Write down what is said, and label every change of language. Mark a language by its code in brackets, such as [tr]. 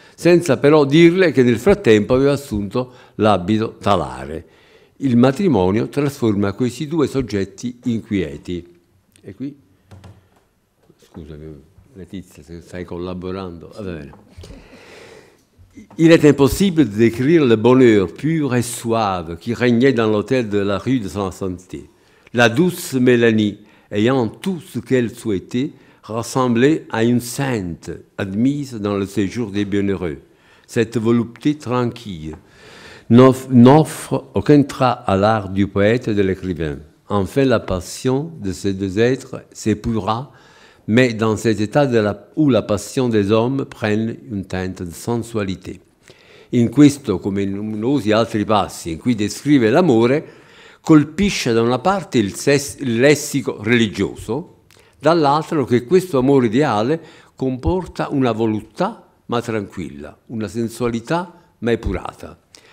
[it] senza però dirle che nel frattempo aveva assunto l'abito talare. Il matrimonio trasforma questi due soggetti inquieti. E qui, scusami Letizia, se stai collaborando, va bene. [fr] Il est impossible de décrire le bonheur pur et suave qui régnait dans l'hôtel de la rue de Saint-Santé. La douce Mélanie, ayant tout ce qu'elle souhaitait, ressemblait à une sainte admise dans le séjour des bienheureux. Cette volupté tranquille n'offre aucun trait à l'art du poète et de l'écrivain. Enfin, la passion de ces deux êtres s'épuisera, mais dans cet état de la, où la passion des hommes prenne une teinte de sensualité. [it] In questo, come in numerosi altri passi in cui descrive l'amore, colpisce da una parte il lessico religioso, dall'altra che questo amore ideale comporta una voluttà ma tranquilla, una sensualità ma epurata.